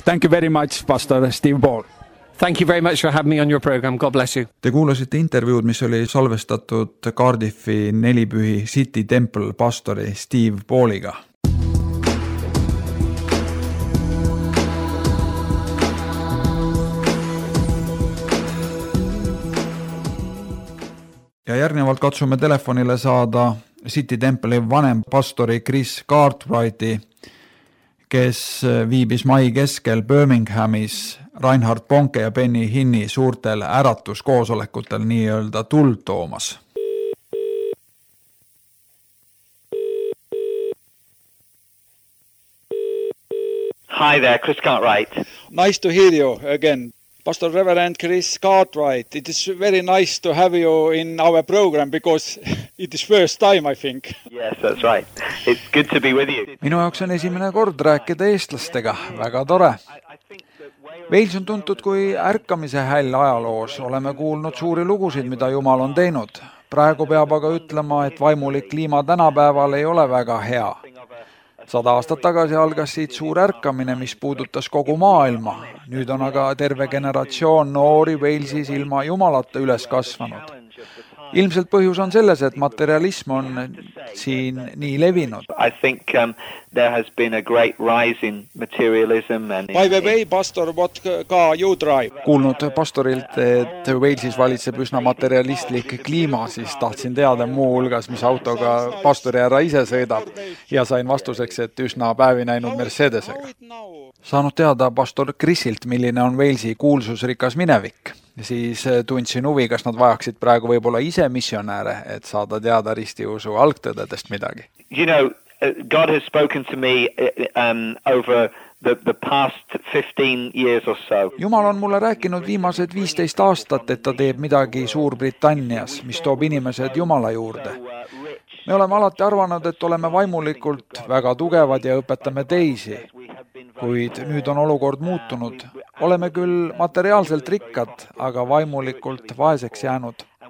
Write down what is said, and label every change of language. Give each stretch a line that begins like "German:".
English: Thank you very much, Pastor Steve Ball. Thank you very much for having me on your program. God bless you.
Estonian: Te kuulasite intervjuud, mis oli salvestatud Cardiffi nelipühi City Temple pastori Steve Balliga. Ja järgnevalt katsume telefonile saada City Temple vanem pastori Chris Cartwrighti, kes viibis mai keskel Birminghamis Reinhard Bonke ja Benny Hinni suurtel äratuskoosolekutel nii öelda tuld toomas.
English: Hi there, Chris Cartwright. Nice to hear you again. Pastor Reverend Chris Cartwright, it is very nice to have you in our program because it is first time, I think. Yes, that's right. It's good to be with you.
Estonian: Minu jaoks on esimene kord rääkida eestlastega. Väga tore. Wales on tuntud kui ärkamise häll ajaloos. Oleme kuulnud suuri lugusid, mida Jumal on teinud. Praegu peab aga ütlema, et vaimulik kliima tänapäeval ei ole väga hea. 100 aastat tagasi algas siit suur ärkamine, mis puudutas kogu maailma. Nüüd on aga terve generatsioon noori Walesis ilma jumalata üles kasvanud. Ilmselt põhjus on selles, et materialism on siin nii levinud.
English: I think there has been a great rise in materialism and by the way, pastor, what car you drive?
Estonian: Kuulnud pastorilt, et Walesis valitseb üsna materialistlik kliima, siis tahtsin teada muu hulgas, mis autoga pastori ära ise sõidab ja sain vastuseks, et üsna päevi näinud Mercedesega. Saanud teada pastor Chrisilt, milline on Walesi kuulsusrikas minevik. Siis tundsin huvi, kas nad vajaksid praegu võib-olla ise missionääre, et saada teada ristiusu algtõdedest midagi.
English: You know, God has spoken to me over the past 15 years or so.
Estonian: Jumal on mulle rääkinud viimased 15 aastat, et ta teeb midagi Suurbritannias, mis toob inimesed Jumala juurde. Me oleme alati arvanud, et oleme vaimulikult väga tugevad ja õpetame teisi. Kuid nüüd on olukord muutunud. Oleme küll materiaalselt rikkad, aga vaimulikult vaeseks jäänud.